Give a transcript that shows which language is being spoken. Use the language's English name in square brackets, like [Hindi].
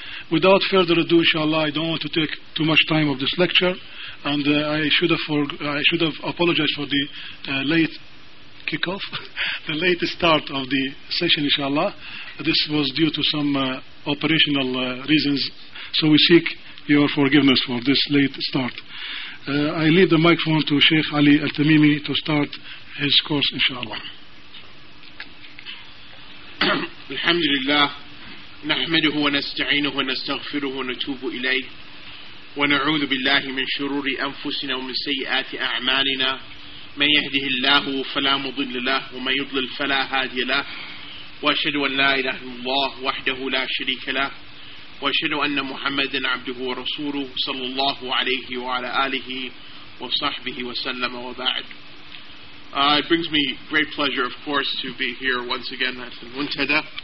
[English] Without further ado, inshallah, I don't want to take too much time of this lecture, and I should have apologized for the late kickoff, the late start of the session, inshallah. This was due to some operational reasons, so we seek your forgiveness for this late start. I leave the microphone to Sheikh Ali Al-Tamimi to start his course, inshallah. [Arabic] الحمد لله نحمده ونستعينه ونستغفره ونتوب إليه ونعوذ بالله من شرور أنفسنا ومن سيئات أعمالنا، من يهده الله فلا مضل له ومن يضلل فلا هادي له، وأشهد أن لا إله إلا الله وحده لا شريك له، وأشهد أن محمدا عبده ورسوله صلى الله عليه وعلى آله وصحبه وسلم وبعد. [English] It brings me great pleasure, of course, to be here once again at the Muntada.